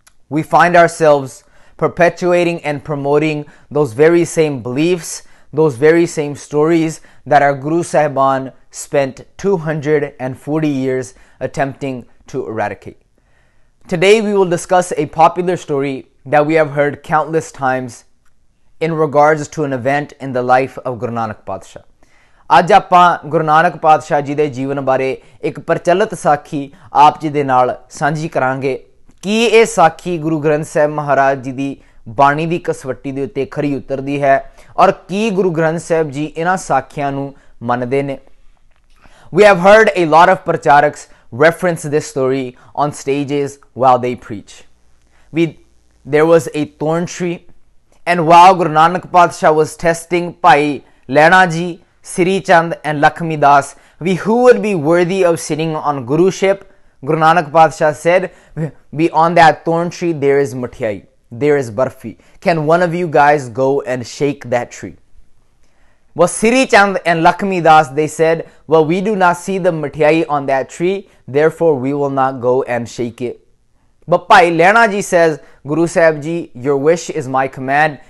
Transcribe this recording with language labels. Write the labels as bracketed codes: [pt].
[en] we find ourselves perpetuating and promoting those very same beliefs, those very same stories that our Guru Sahiban spent 240 years attempting to eradicate. Today we will discuss a popular story that we have heard countless times in regards to an event in the life of Guru Nanak Patshah. [pa] ਅੱਜ ਆਪਾਂ ਗੁਰੂ ਨਾਨਕ ਪਾਤਸ਼ਾਹ ਜੀ ਦੇ ਜੀਵਨ ਬਾਰੇ ਇੱਕ ਪ੍ਰਚਲਿਤ ਸਾਖੀ ਆਪ ਜੀ ਦੇ ਨਾਲ ਸਾਂਝੀ ਕਰਾਂਗੇ ਕਿ ਇਹ ਸਾਖੀ ਗੁਰੂ ਗ੍ਰੰਥ ਸਾਹਿਬ ਮਹਾਰਾਜ ਜੀ ਦੀ ਬਾਣੀ ਦੀ ਕਸਵੱਟੀ ਦੇ ਉੱਤੇ ਖਰੀ ਉਤਰਦੀ ਹੈ ਔਰ ਕੀ ਗੁਰੂ ਗ੍ਰੰਥ ਸਾਹਿਬ ਜੀ ਇਹਨਾਂ ਸਾਖੀਆਂ ਨੂੰ ਮੰਨਦੇ ਨੇ [en] We have heard a lot of pracharaks reference this story on stages while they preach we there was a thorn tree and while Guru Nanak Patshah was testing Bhai Lehna ji Sri Chand and Lakshmi Das, we who would be worthy of sitting on Guruship, Guru Nanak Patshah said, be on that thorn tree, there is mithai, there is barfi. Can one of you guys go and shake that tree? Well, Sri Chand and Lakshmi Das, they said, well, we do not see the mithai on that tree, therefore we will not go and shake it. But Bhai Lehna Ji says, Guru Sahib Ji, your wish is my command.